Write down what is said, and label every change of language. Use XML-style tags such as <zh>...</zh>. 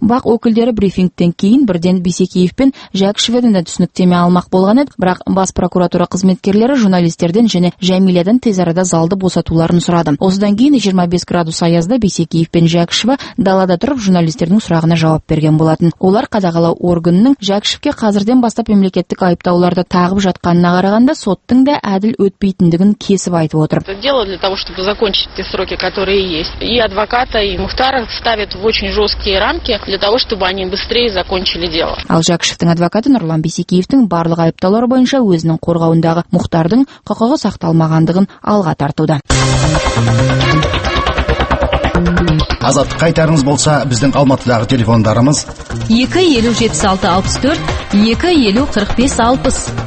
<kk>Бақ өкілдері брифингтен кейін бірден Бисекеев пен Жәкішевтен де түсініктеме алмақ болған еді, бірақ бас прокуратура қызметкерлері журналистерден және Жәмиледен тез арада залды босатуларын сұрады. Осыдан кейін 25 градус аязда Бисекеев пен Жәкішева далада тұрып журналистердің сұрағына жауап берген болатын. Олар қадағалау органының Жәкішевке қазірден бастап мемлекеттік айыптауларды тағып жатқанына қарағанда соттың да әділ өтпейтіндігін кесіп айтып отыр.</kk> <ru>Это дело для того, чтобы закончить те сроки, которые есть. И адвоката, и Мухтара ставят в очень жесткие рамки для того, чтобы они быстрее закончили дело.</ru> <kk>Ал Жәкішевтің адвокаты Нұрлан Бисекеевтің барлық айыптаулар бойынша өзінің қорғауындағы Мұхтардың құқығы сақталмағандығын алға тартуда. Азат, қайтарыңыз болса, біздің Алматыдағы телефондарымыз 257664 250456.</kk>